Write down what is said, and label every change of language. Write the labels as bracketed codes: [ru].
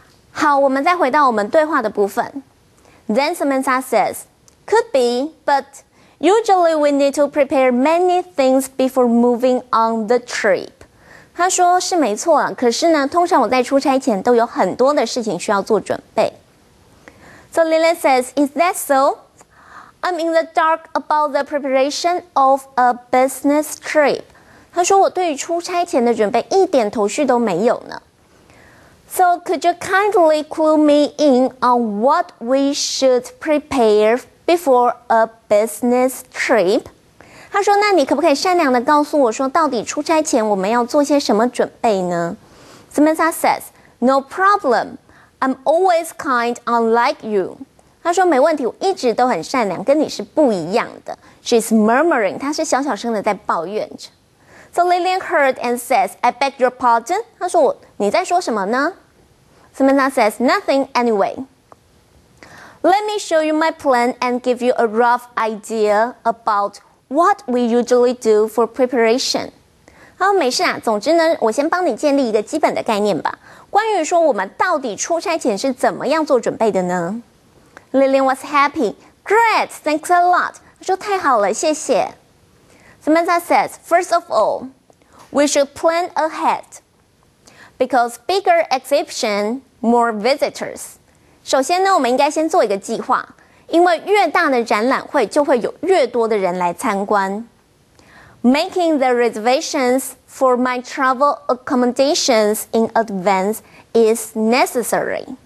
[zh] 好，我们再回到我们对话的部分。 [en] Then Samantha says,Could be, but usually we need to prepare many things before moving on the trip. [zh] 他说是没错啊，可是呢，通常我在出差前都有很多的事情需要做准备。 [en] So Lily says, is that so? I'm in the dark about the preparation of a business trip. [zh] 他说我对于出差前的准备一点头绪都没有呢。 [en] So could you kindly clue me in on what we should prepare for? Before a business trip. [zh] 他说那你可不可以善良地告诉我说到底出差前我们要做些什么准备呢 [en] Samantha says, no problem. I'm always kind unlike you. [zh] 他说没问题我一直都很善良跟你是不一样的 [en] She's murmuring, [zh] 她是小小声地在抱怨着 [en] So Lillian heard and says, I beg your pardon. [zh] 他说你在说什么呢 [en] Samantha says, nothing anyway. Let me show you my plan and give you a rough idea about what we usually do for preparation. [zh] 好，没事啊，总之呢，我先帮你建立一个基本的概念吧。关于说我们到底出差前是怎么样做准备的呢？ [en] Lillian was happy. Great, thanks a lot. [zh] 她说太好了，谢谢。 [en] Samantha says, first of all, we should plan ahead. Because bigger exhibition, more visitors. [zh] 首先呢，我们应该先做一个计划，因为越大的展览会就会有越多的人来参观。 [en] Making the reservations for my travel accommodations in advance is necessary.